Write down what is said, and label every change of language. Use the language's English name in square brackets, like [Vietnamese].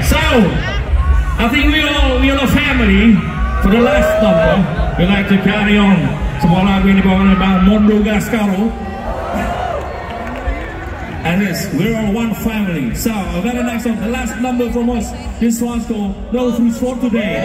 [English] So, I think we all a family. For the last time, we like to carry on. [Indonesian] Semua lagu ini bawa oleh Bang Mondo Gascaro. [English] And this, we're all one family. So, a very nice song, the last number from us. This one's called No Fruits for Today.